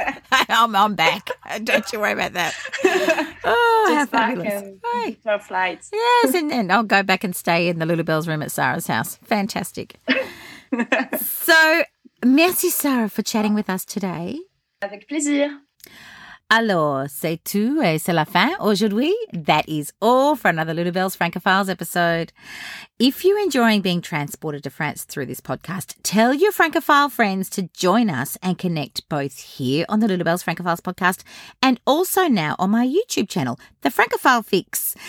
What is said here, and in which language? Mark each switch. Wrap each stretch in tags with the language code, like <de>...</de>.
<en>I'm back. Don't you worry about that. Oh, just how fabulous. Back and flights. Yes, and then I'll go back and stay in the Lulabelle's room at Sarah's house. Fantastic. So, merci, Sarah, for chatting with us today.</en> <fr>Avec plaisir. Alors, c'est tout et c'est la fin aujourd'hui.</fr> <en>That is all for another Lulabelle's Francophiles episode. If you're enjoying being transported to France through this podcast, tell your Francophile friends to join us and connect both here on the Lulabelle's Francophiles podcast and also now on my YouTube channel, The Francophile Fix.</en>